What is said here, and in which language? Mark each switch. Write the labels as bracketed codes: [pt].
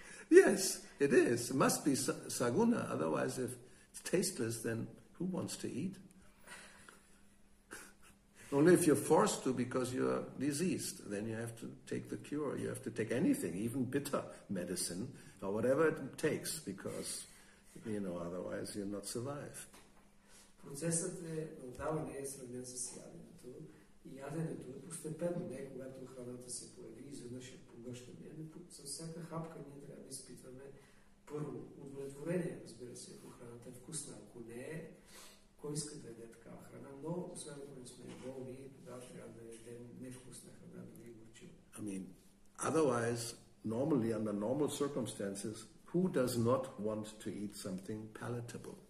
[en] Yes, it is. It must be saguna. Otherwise, if it's tasteless, then who wants to eat? Only if you're forced to because you're diseased, then you have to take the cure. You have to take anything, even bitter medicine or whatever it takes, because, you know, otherwise you'll not survive. [bg] Процесът е отдаване е сравнен с яденето. И яденето е постепенно, не когато храната се появи, изведнъж е поглъщане. С всяка хапка ние трябва да изпитваме първо удовлетворение, разбира се, ако храната е вкусна. Ако не е, кой иска да яде такава храна? Но, освен ако не сме болни, тогава трябва да ядем невкусна храна, да ви горчим. [en] I mean, otherwise, normally, under normal circumstances, who does not want to eat something palatable?